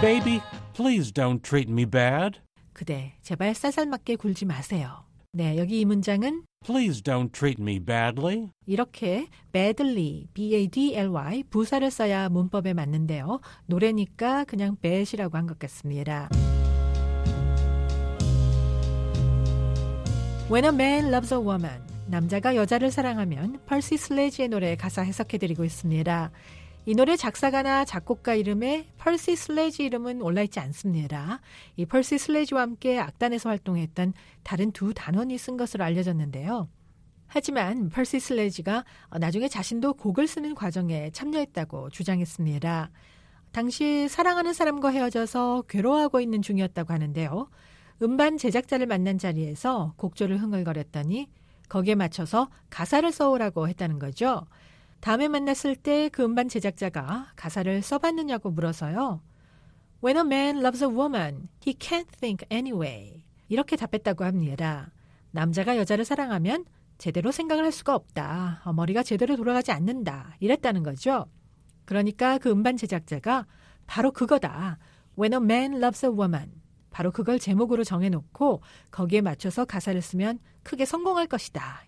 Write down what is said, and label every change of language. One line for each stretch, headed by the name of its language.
English: Baby, please don't treat me bad.
Korean: 그대, 제발 쌀쌀맞게 굴지 마세요. 네, 여기 이 문장은
English: Please don't treat me badly.
Korean: 이렇게 badly, B-A-D-L-Y, 부사를 써야 문법에 맞는데요. 노래니까 그냥 bad이라고 한 것 같습니다. When a man loves a woman, 남자가 여자를 사랑하면 Percy Sledge의 노래 가사 해석해드리고 있습니다. 이 노래 작사가나 작곡가 이름에 Percy Sledge 이름은 올라있지 않습니다. 이 Percy Sledge와 함께 악단에서 활동했던 다른 두 단원이 쓴 것으로 알려졌는데요. 하지만 Percy Sledge가 나중에 자신도 곡을 쓰는 과정에 참여했다고 주장했습니다. 당시 사랑하는 사람과 헤어져서 괴로워하고 있는 중이었다고 하는데요. 음반 제작자를 만난 자리에서 곡조를 흥얼거렸더니 거기에 맞춰서 가사를 써오라고 했다는 거죠. 다음에 만났을 때 그 음반 제작자가 가사를 써봤느냐고 물어서요.
English: When a man loves a woman, he can't think anyway.
Korean: 이렇게 답했다고 합니다. 남자가 여자를 사랑하면 제대로 생각을 할 수가 없다. 머리가 제대로 돌아가지 않는다. 이랬다는 거죠. 그러니까 그 음반 제작자가 바로 그거다.
English: When a man loves a woman.
Korean: 바로 그걸 제목으로 정해놓고 거기에 맞춰서 가사를 쓰면 크게 성공할 것이다.